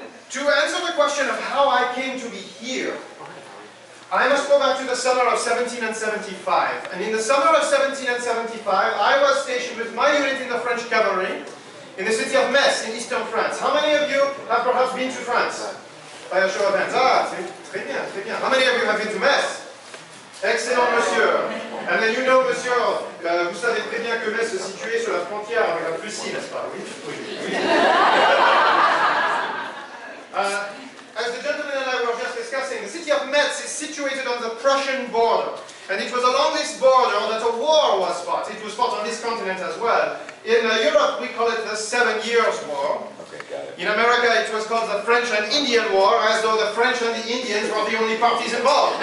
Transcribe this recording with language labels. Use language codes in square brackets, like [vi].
[en] To answer the question of how I came to be here, I must go back to the summer of 1775. And in the summer of 1775, I was stationed with my unit in the French cavalry in the city of Metz in eastern France. How many of you have perhaps been to France? By a show of hands. [fr] Ah, très bien, très bien. [en] How many of you have been to Metz? Excellent, monsieur. And then you know, [fr] monsieur, vous savez très bien que Metz se situe sur la frontière avec la Prussie, n'est-ce pas? Oui, oui, oui. [en] As the gentleman and I were just discussing, the city of Metz is situated on the Prussian border. And it was along this border that a war was fought. It was fought on this continent as well. In Europe, we call it the Seven Years' War. Okay, got it. In America, it was called the French and Indian War, as though the French and the Indians were the only parties involved.